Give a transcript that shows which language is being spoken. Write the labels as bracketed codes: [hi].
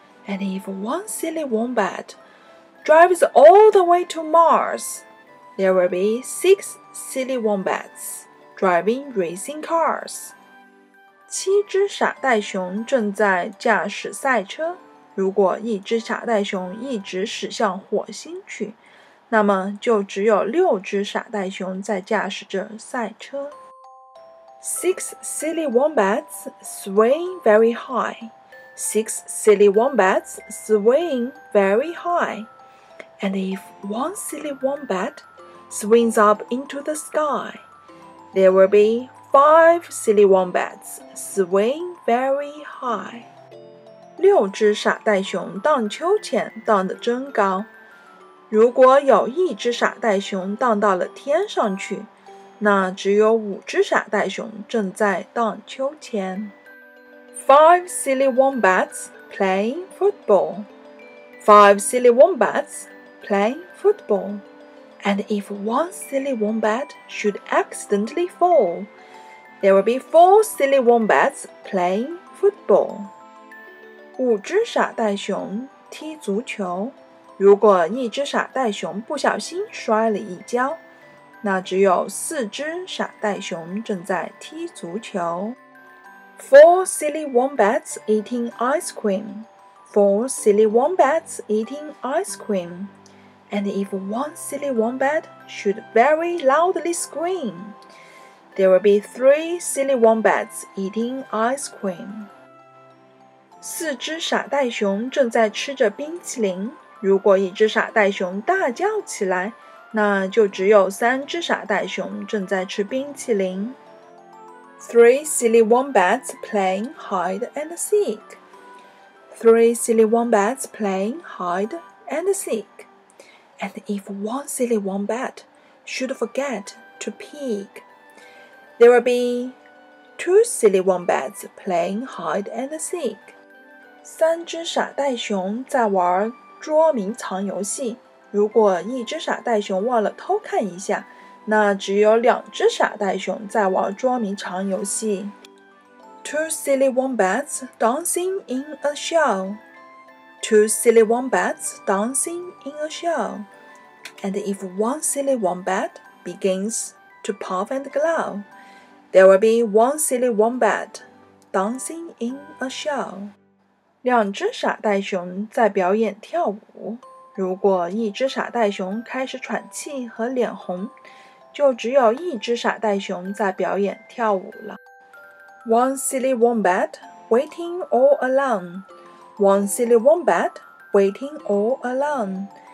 [en] And if one silly wombat drives all the way to Mars, there will be 6 silly wombats driving racing cars. [zh] 七只傻袋熊正在驾驶赛车。如果一只傻袋熊一直驶向火星去，那么就只有六只傻袋熊在驾驶着赛车。 [en] Six silly wombats swing very high. Six silly wombats swing very high. And if one silly wombat swings up into the sky, there will be 5 silly wombats swing very high. [zh] 六只傻袋熊荡秋千，荡得真高。如果有一只傻袋熊荡到了天上去，那只有五只傻袋熊正在荡秋千。 [en] Five silly wombats playing football. Five silly wombats playing football. And if one silly wombat should accidentally fall, there will be 4 silly wombats playing football. [zh] 五只傻袋熊踢足球。如果一只傻袋熊不小心摔了一跤，那只有四只傻袋熊正在踢足球。 [en] Four silly wombats eating ice cream. Four silly wombats eating ice cream. And if one silly wombat should very loudly scream, there will be 3 silly wombats eating ice cream. [zh] 四只傻袋熊正在吃着冰淇淋。如果一只傻袋熊大叫起来，那就只有三只傻袋熊正在吃冰淇淋。 [en] Three silly wombats playing hide and seek. Three silly wombats playing hide and seek. And if one silly wombat should forget to peek, there will be 2 silly wombats playing hide and seek. [zh] 三只傻袋熊在玩捉迷藏游戏。如果一只傻袋熊忘了偷看一下，那只有两只傻袋熊在玩捉迷藏游戏。 [en] Two silly wombats dancing in a show. Two silly wombats dancing in a show. And if one silly wombat begins to puff and glow, there will be 1 silly wombat dancing in a show. [zh] 两只傻袋熊在表演跳舞。如果一只傻袋熊开始喘气和脸红，就只有一只傻袋熊在表演跳舞了。 [en] One silly wombat waiting all alone. One silly wombat waiting all alone.